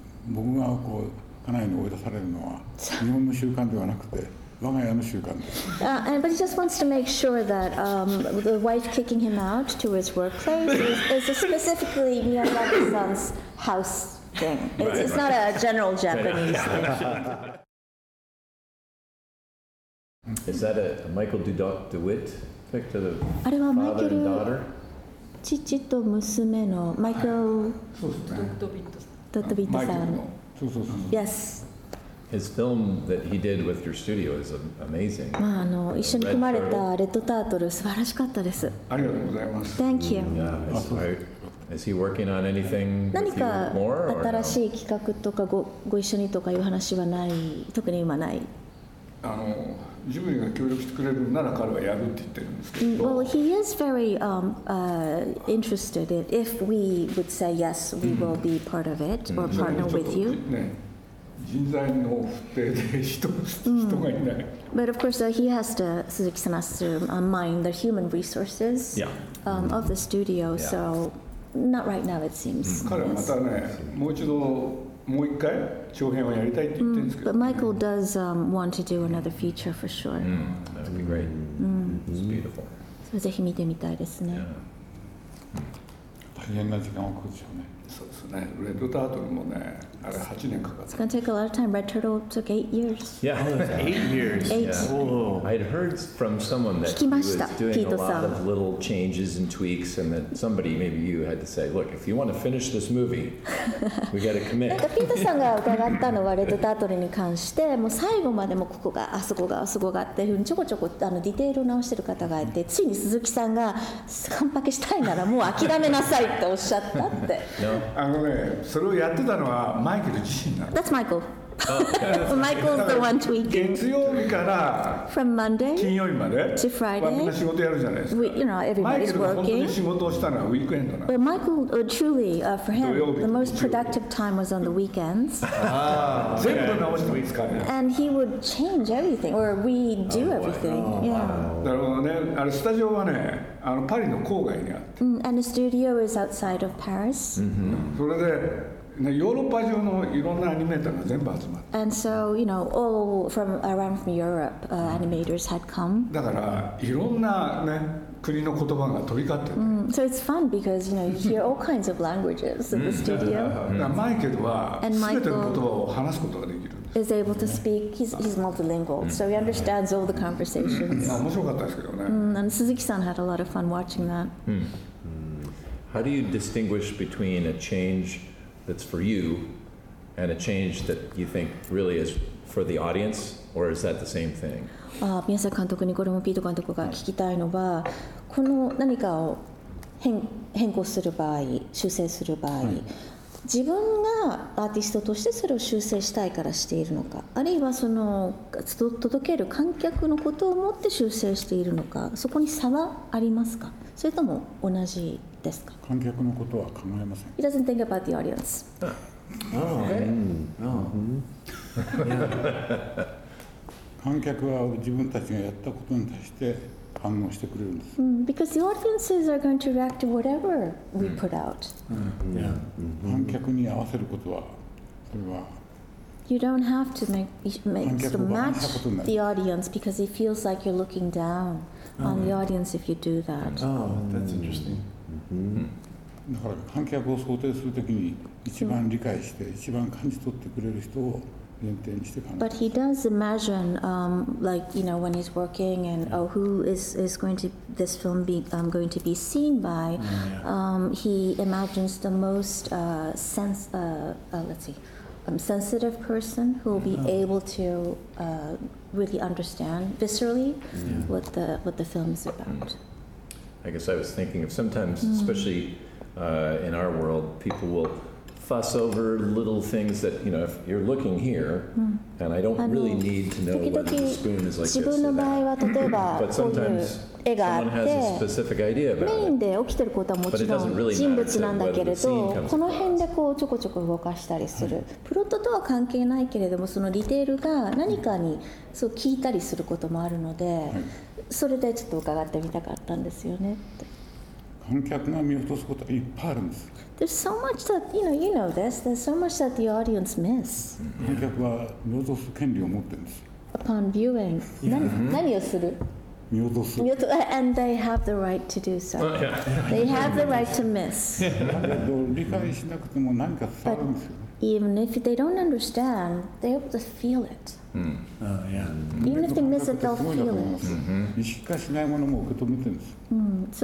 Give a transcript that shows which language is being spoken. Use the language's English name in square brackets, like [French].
[Japanese] 僕がこう家内に追い出されるのは日本の習慣ではなくて我が家の習慣です。 [English] But he just wants to make sure that the wife kicking him out to his workplace is specifically Miyazaki-san's house thing. It's not a general Japanese thing. Is that a Michael DeWitt picture of the father and daughter? [Japanese] 父と娘のMichael DeWittさん。 [English] Yes. His film that he did with your studio is amazing. [Japanese] まああの一緒に組まれたレッドタートル素晴らしかったです。ありがとうございます。 Thank you. Is he working on anything more? 何か新しい企画とかご一緒にとかいう話はない。特に今ない。ジブリが協力してくれるなら彼はやるって言ってるんですけど。 [English] Well, he is very interested in if we would say yes, we will be part of it or partner with you. [Japanese] 人材の不定で人がいない。 [English] But of course, he has to, Suzuki-san has to mind the human resources of the studio, so not right now, it seems. [Japanese] 彼はまたね、もう一回長編をやりたいって言ってるんですけど。 [English] But Michael does want to do another feature for sure. That would be great. It's beautiful. [Japanese] ぜひ見てみたいですね。大変な時間を食うでしょうね。そうですね。レッドタートルもね、あれ8年かかった。 [English] It's gonna take a lot of time. Red Turtle took 8 years. Yeah, 8 years. 8. Yeah. I'd heard from someone that he was doing a lot of little changes and tweaks, and that somebody, maybe you, had to say, look, if you want to finish this movie, we got to commit. [Japanese] なんかピートさんが伺ったのはレッドタートルに関して、もう最後までもここがあそこがあそこがっていうふうにちょこちょこディテールを直してる方がいて、ついに鈴木さんが完パケしたいならもう諦めなさいっておっしゃったって。 [English] No. [Japanese] あのね、それをやってたのはマイケル自身なの。 [English] That's Michael. Michael's the one tweaking. [Japanese] 月曜日から [English] from Monday [Japanese] 金曜日まで [English] to Friday. [Japanese] みんな仕事やるじゃないですか。 [English] You know, everybody's working. [Japanese] マイケルが本当に仕事をしたのはウィークエンドなの。 [English] But Michael, truly, for him, the most productive time was on the weekends. [Japanese] 全部直してもいいですかね。 [English] And he would change everything, or redo everything. Yeah. [Japanese] だからね、あれスタジオはね。あのパリの郊外にある。 [English] And the studio is outside of Paris. [Japanese] それで、ね、ヨーロッパ中のいろんなアニメーターが全部集まって。 [English] And so, you know, all from around from Europe, animators had come. [Japanese] だからいろんなね、国の言葉が飛び交ってる。 [English] So it's fun because, you know, you hear all kinds of languages in the studio. [Japanese] マイケルは全ての言葉を話すことができるんです。 [English] Is able to speak. He's multilingual, so he understands all the conversations. 面白かったですけどね。 And Suzuki-san had a lot of fun watching that. How do you distinguish between a change that's for you and a change that you think really is for the audience, or is that the same thing? [Japanese] 宮崎監督にこれもピート監督が聞きたいのは、この何かを変更する場合、修正する場合、自分がアーティストとしてそれを修正したいからしているのか、あるいはその届ける観客のことを思って修正しているのか、そこに差はありますか、それとも同じですか。観客のことは考えません。 [English] He doesn't think about the audience. [Japanese] 観客は自分たちがやったことに対して反応してくれるんです。 [English] Because the audiences are going to react to whatever we put out. [Japanese] 観客に合わせることは、それは。 [English] You don't have to match the audience because it feels like you're looking down on the audience if you do that. That's interesting. [Japanese] だから観客を想定するときに一番理解して一番感じ取ってくれる人を [English] But he does imagine, like, you know, when he's working and, oh, who is going to, this film be going to be seen by, he imagines the most sensitive person who will be able to really understand viscerally what the film is about. I guess I was thinking of sometimes, especially in our world, people will fuss over little things that, you know, if you're looking here, and I don't really need to know whether the spoon is like this or that. But sometimes someone has a specific idea about it. But it doesn't really matter to whether the scene comes across. [Japanese] プロットとは関係ないけれども、そのディテールが何かにそう聞いたりすることもあるので、それでちょっと伺ってみたかったんですよね。観客が見落とすことがいっぱいあるんです。 [English] There's so much that, you know, you know this, there's so much that the audience miss. [Japanese] 観客は見落とす権利を持ってるんです。 [English] Upon viewing, [Japanese] 何をする？見落とす。 [English] And they have the right to do so. They have the right to miss. [Japanese] 理解しなくても何か伝わるんですよ。 [English] Even if they don't understand, they're able to feel it. Even if they miss it, they'll feel it. [Japanese] 意識化しないものも受け止めてるんです。